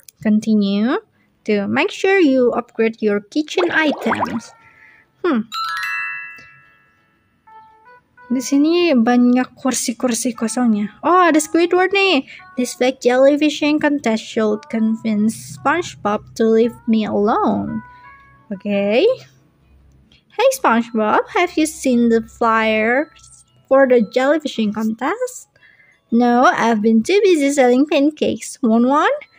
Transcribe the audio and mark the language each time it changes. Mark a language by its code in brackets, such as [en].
[en] Continue to make sure you upgrade your kitchen items. [id] Di sini banyak kursi-kursi kosongnya. Oh, ada Squidward nih. [en] This fake jellyfish contest should convince SpongeBob to leave me alone. Okay. Hey SpongeBob, have you seen the flyers for the jellyfish contest? No, I've been too busy selling pancakes. Want one?